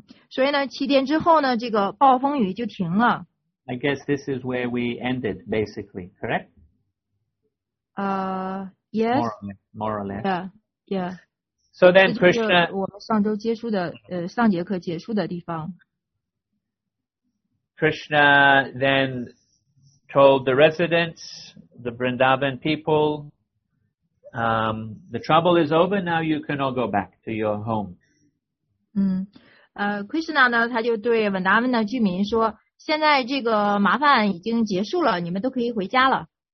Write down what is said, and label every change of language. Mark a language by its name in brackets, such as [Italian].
[Chinese] 所以呢七天之后呢这个暴风雨就停了。 [English] I guess this is where we ended, basically, correct? Yes. More or less. Yeah. So then Krishna... [Chinese] 我们上周接触的上节课结束的地方。 [English] Krishna then told the residents, the Vrindavan people,the trouble is over, now you can all go back to your home. [Chinese] Krishna 呢他就对 Vrindavan 的居民说现在这个麻烦已经结束了你们都可以回家了。